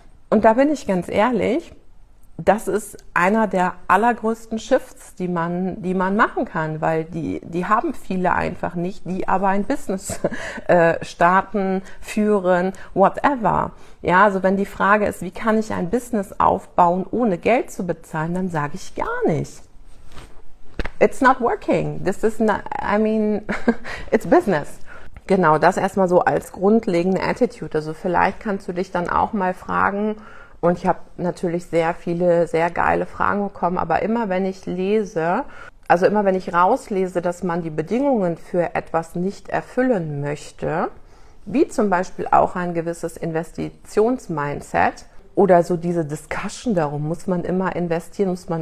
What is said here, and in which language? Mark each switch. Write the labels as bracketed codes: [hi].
[de] Und da bin ich ganz ehrlich, das ist einer der allergrößten Shifts, die man machen kann, weil die haben viele einfach nicht, die aber ein Business starten, führen, whatever. Ja, also wenn die Frage ist, wie kann ich ein Business aufbauen, ohne Geld zu bezahlen, dann sage ich gar nicht. [en] It's not working. This is not, I mean, it's business. [de] Genau, das erstmal so als grundlegende Attitude. Also vielleicht kannst du dich dann auch mal fragen, und ich habe natürlich sehr viele sehr geile Fragen bekommen, aber immer wenn ich lese, also immer wenn ich rauslese, dass man die Bedingungen für etwas nicht erfüllen möchte, wie zum Beispiel auch ein gewisses Investitionsmindset oder so diese Discussion darum, muss man immer investieren.